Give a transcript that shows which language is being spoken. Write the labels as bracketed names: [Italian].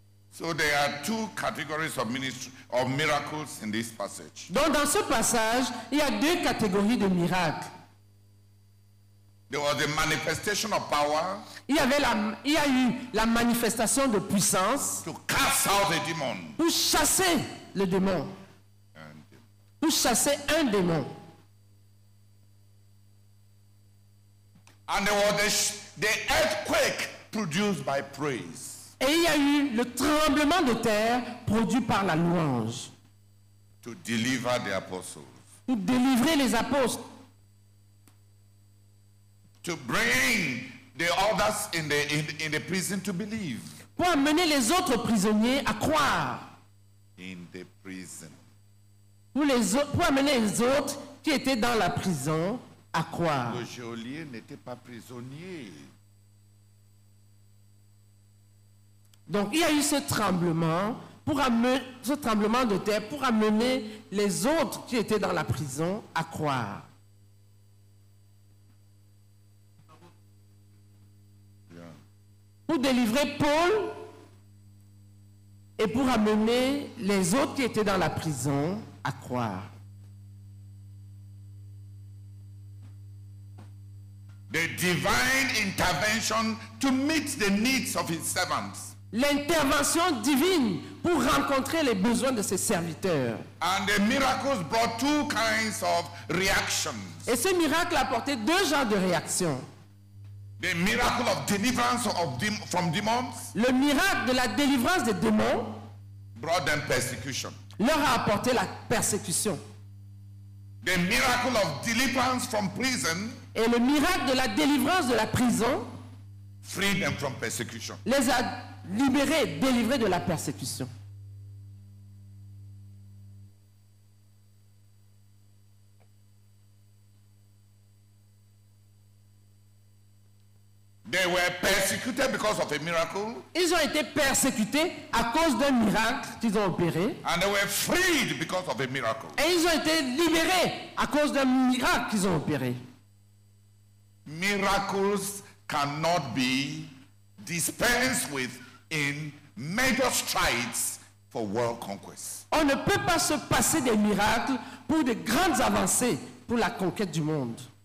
[English] So there are two categories of ministry of miracles in this passage. [French] Donc dans ce passage, il y a deux catégories de miracles. [English] There was a manifestation of power. [French] Il y a eu la manifestation de puissance. [English] To cast out the demon. [French] Pour chasser le démon. Pour chasser un démon. [English] And there was the earthquake produced by praise. [French] Et il y a eu le tremblement de terre produit par la louange. [English] To deliver the apostles. [French] Pour délivrer les apôtres. [English] To bring the others in the prison to believe. [French] Pour amener les autres prisonniers à croire. [English] In the prison. [French] Pour amener les autres qui étaient dans la prison à croire. Le geôlier n'était pas prisonnier. Donc il y a eu ce tremblement de terre pour amener les autres qui étaient dans la prison à croire. [English] Yeah. [French] Pour délivrer Paul et pour amener les autres qui étaient dans la prison à croire. [English] The divine intervention to meet the needs of his servants. [French] L'intervention divine pour rencontrer les besoins de ses serviteurs. [English] And the miracles brought two kinds of reactions. [French] Et ce miracle a apporté deux genres de réactions. [English] The miracle of deliverance of from demons. [French] Le miracle de la délivrance des démons [English] brought them persecution. [French] Leur a apporté la persécution. [English] The miracle of deliverance from prison. [French] Et le miracle de la délivrance de la prison. [English] Freed them from persecution. [French] Les a libérés, délivrés de la persécution. [English] They were persecuted because of a miracle. [French] Ils ont été persécutés à cause d'un miracle qu'ils ont opéré. [English] And they were freed because of a miracle. [French] Et ils ont été libérés à cause d'un miracle qu'ils ont opéré. [English] Miracles cannot be dispensed with in major strides for world conquest. [French] On ne peut pas se passer des miracles pour de grandes avancées pour la conquête du monde.